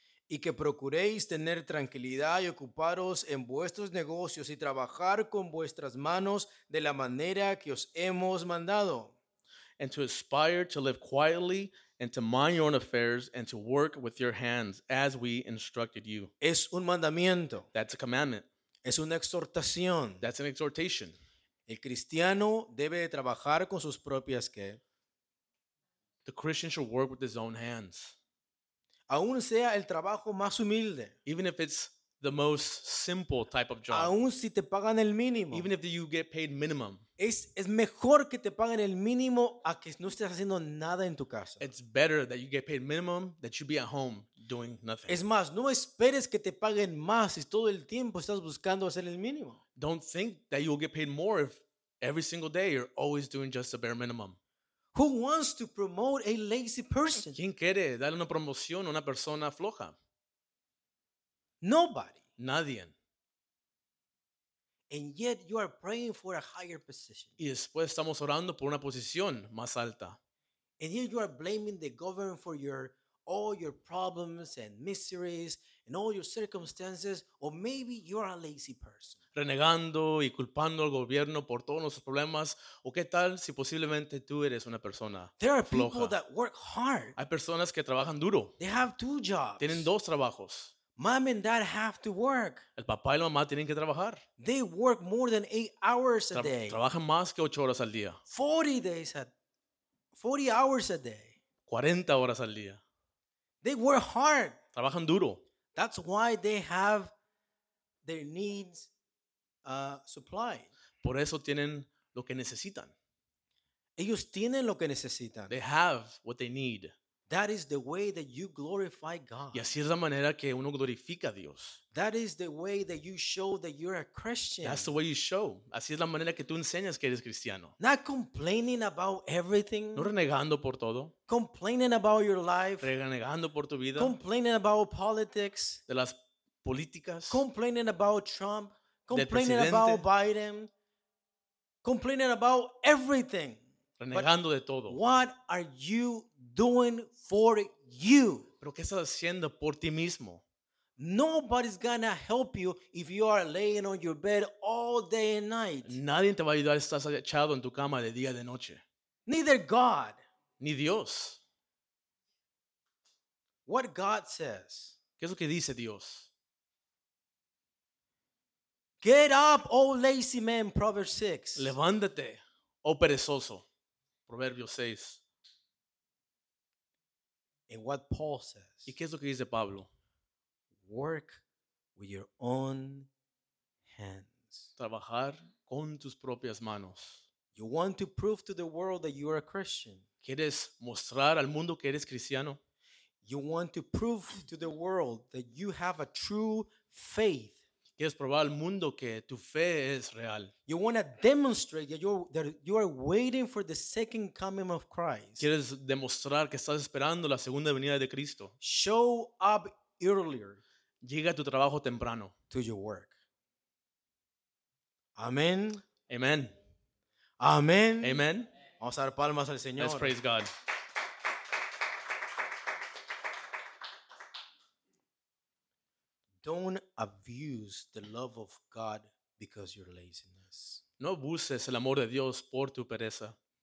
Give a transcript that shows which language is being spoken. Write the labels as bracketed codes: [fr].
[es] Y que procuréis tener tranquilidad y ocuparos en vuestros negocios y trabajar con vuestras manos de la manera que os hemos mandado. [en] And to aspire to live quietly and to mind your own affairs and to work with your hands as we instructed you. [es] Es un mandamiento. [en] That's a commandment. [es] Es una exhortación. [en] That's an exhortation. [es] El cristiano debe trabajar con sus propias ¿qué? [en] The Christian should work with his own hands. [es] Aún sea el trabajo más humilde. [en] Even if it's the most simple type of job. [es] Aún si te pagan el mínimo. [en] Even if you get paid minimum. [es] Es mejor que te paguen el mínimo a que no estés haciendo nada en tu casa. [en] It's better that you get paid minimum that you be at home doing nothing. [es] Es más, no esperes que te paguen más si todo el tiempo estás buscando hacer el mínimo. [en] Don't think that you will get paid more if every single day you're always doing just the bare minimum. Who wants to promote a lazy person? [es] ¿Quién quiere darle una promoción a una persona floja? [en] Nobody. [es] Nadie. [en] And yet you are praying for a higher position. [es] Y después estamos orando por una posición más alta. [en] And yet you are blaming the government for all your problems and miseries and all your circumstances, or maybe you are a lazy person. [es] Renegando y culpando al gobierno por todos nuestros problemas, o qué tal si posiblemente tú eres una persona floja. [en] There are people that work hard. [es] Hay personas que trabajan duro. [en] They have two jobs. [es] Tienen dos trabajos. [en] Mom and dad have to work. [es] El papá y la mamá tienen que trabajar. [en] They work more than 8 hours a day. [es] Trabajan más que 8 horas al día. [en] 40 hours a day. [es] 40 horas al día. [en] They work hard. [es] Trabajan duro. [en] That's why they have their needs supplied. [es] Por eso tienen lo que necesitan. Ellos tienen lo que necesitan. [en] They have what they need. That is the way that you glorify God. [es] Y así es la manera que uno glorifica a Dios. [en] That is the way that you show that you're a Christian. That's the way you show. [es] Así es la manera que tú enseñas que eres cristiano. [en] Not complaining about everything. [es] No renegando por todo. [en] Complaining about your life. [es] Renegando por tu vida. [en] Complaining about politics. [es] De las políticas. [en] Complaining about Trump. Complaining about Biden. Complaining about everything. [es] Renegando de todo. [en] What are you doing for you? [es] ¿Pero qué estás haciendo por ti mismo? [en] Nobody's gonna help you if you are laying on your bed all day and night. [es] Nadie te va a ayudar si estás echado en tu cama de día y de noche. [en] Neither God. [es] Ni Dios. [en] What God says. [es] ¿Qué es lo que dice Dios? [en] Get up, oh lazy man, Proverbs 6. [es] Levántate, oh perezoso. Proverbios 6. [en] And what Paul says. [es] ¿Y qué es lo que dice Pablo? [en] Work with your own hands. [es] Trabajar con tus propias manos. [en] You want to prove to the world that you are a Christian. [es] ¿Quieres mostrar al mundo que eres cristiano? [en] You want to prove to the world that you have a true faith. [es] ¿Quieres probar al mundo que tu fe es real? [en] You want to demonstrate that you are waiting for the second coming of Christ. [es] ¿Quieres demostrar que estás esperando la segunda venida de Cristo? [en] Show up earlier. [es] Llega a tu trabajo temprano. [en] To your work. Amen. Amen. Amen. Amen. [es] Vamos a dar palmas al Señor. [en] Let's praise God. Don't abuse the love of God because your laziness. [es] No abuses el amor de Dios por tu pereza.